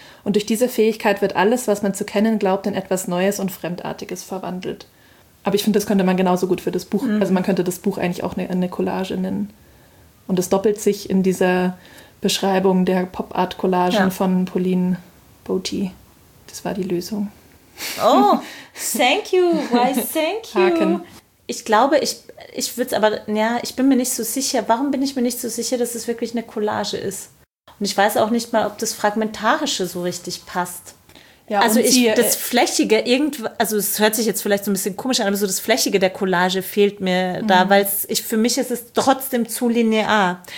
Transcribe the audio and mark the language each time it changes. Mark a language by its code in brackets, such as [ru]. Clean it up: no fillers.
[de] Und durch diese Fähigkeit wird alles, was man zu kennen glaubt, in etwas Neues und Fremdartiges verwandelt. Aber ich finde, das könnte man genauso gut für das Buch, also man könnte das Buch eigentlich auch eine Collage nennen. Und es doppelt sich in dieser Beschreibung der Pop-Art-Collagen von Pauline Boti. Das war die Lösung. [en] Oh, thank you, why thank you? [de] Haken. Ich glaube, ich würde es aber, ja, ich bin mir nicht so sicher. Warum bin ich mir nicht so sicher, dass es wirklich eine Collage ist? Und ich weiß auch nicht mal, ob das Fragmentarische so richtig passt. Ja, also ich, das Flächige, also es hört sich jetzt vielleicht so ein bisschen komisch an, aber so das Flächige der Collage fehlt mir da, weil für mich ist es trotzdem zu linear.